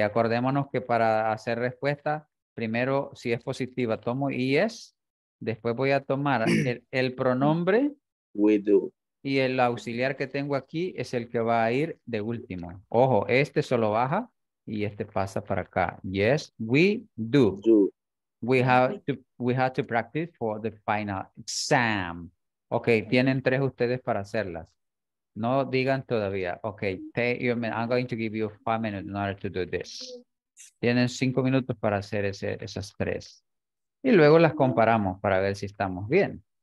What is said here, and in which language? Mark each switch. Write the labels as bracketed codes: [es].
[es] Acordémonos que para hacer respuesta, primero, si es positiva, tomo yes. Después voy a tomar el pronombre. [en] We do. [es] Y el auxiliar que tengo aquí es el que va a ir de último. Ojo, este solo baja y este pasa para acá. [en] Yes, we do. Do. We have to practice for the final exam. [es] Okay, tienen tres ustedes para hacerlas. No digan todavía. [en] Okay, I'm going to give you 5 minutes in order to do this. [es] Tienen 5 minutos para hacer esas tres. Y luego las comparamos para ver si estamos bien.